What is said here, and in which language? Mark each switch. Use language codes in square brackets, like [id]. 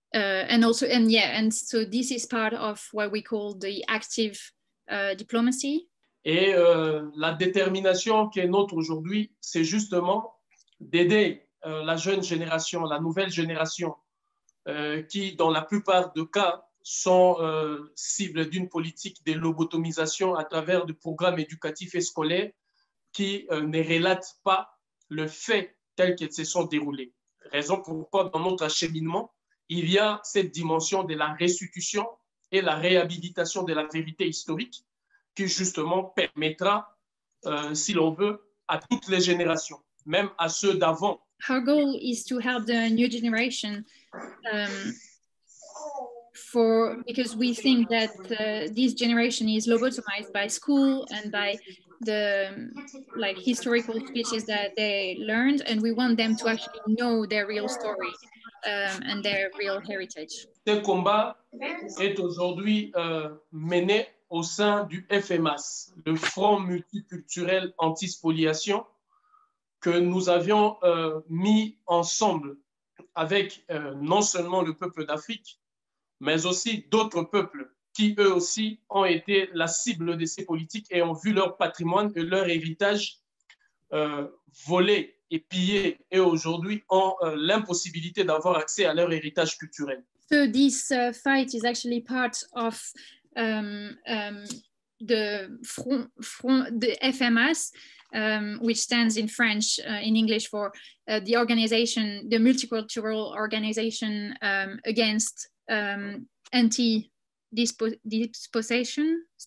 [en] And so this is part of what we call the active diplomacy. [fr] Et la détermination qui est nôtre aujourd'hui, c'est justement d'aider la jeune génération, la nouvelle génération, qui dans la plupart de cas sont cibles d'une politique de lobotomisation à travers des programmes éducatifs et scolaires qui ne relatent pas le fait tel qu'ils se sont déroulés. Raison pourquoi dans notre acheminement, il y a cette dimension de la restitution et la réhabilitation de la vérité historique qui justement permettra, si l'on veut, à toutes les générations, même à ceux d'avant. [en] Our goal is to help the new generation because we think that this generation is lobotomized by school and by the like historical speeches that they learned, and we want them to actually know their real story and their real heritage. [fr] Ce combat est aujourd'hui mené au sein du FMAS, le Front Multiculturel Anti-Spoliation, que nous avions mis ensemble avec non seulement le peuple d'Afrique, mais aussi d'autres peuples qui, eux aussi, ont été la cible de ces politiques et ont vu leur patrimoine et leur héritage volés et pillés et aujourd'hui ont l'impossibilité d'avoir accès à leur héritage culturel. [en] So this fight is actually part of the front, the FMS, which stands in French, in English for the organization, the multicultural organization against anti-dispossession,